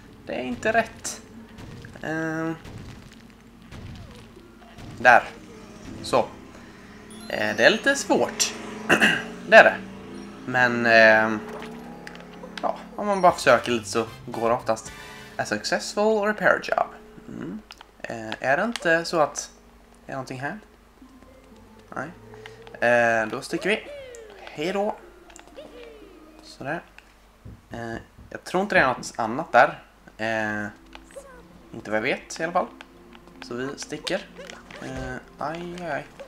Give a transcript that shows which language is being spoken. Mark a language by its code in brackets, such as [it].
[sv] Det är inte rätt. Där. Så. Det är lite svårt. Det är det. Men om man bara försöker lite så går det oftast. [en] A successful repair job. [sv] Är det inte så att det är någonting här? Nej. Då sticker vi. Hej då. Sådär. Jag tror inte det är något annat där. Inte vad jag vet i alla fall. Så vi sticker. Aj.